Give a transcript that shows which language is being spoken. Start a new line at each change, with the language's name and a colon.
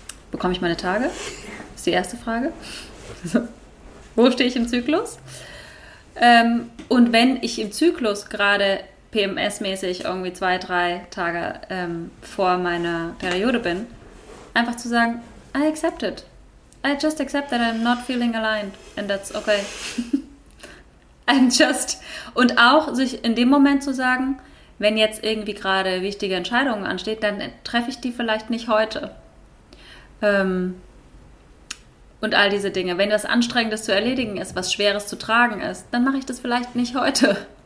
German: Bekomme ich meine Tage? Das ist die erste Frage. Wo stehe ich im Zyklus? Und wenn ich im Zyklus gerade PMS-mäßig irgendwie 2-3 Tage vor meiner Periode bin, einfach zu sagen,
English: I accept it. I just accept that I'm not feeling aligned and that's okay. I'm just...
German: Und auch sich in dem Moment zu sagen, wenn jetzt irgendwie gerade wichtige Entscheidungen ansteht, dann treffe ich die vielleicht nicht heute. Und all diese Dinge. Wenn das Anstrengendes zu erledigen ist, was Schweres zu tragen ist, dann mache ich das vielleicht nicht heute.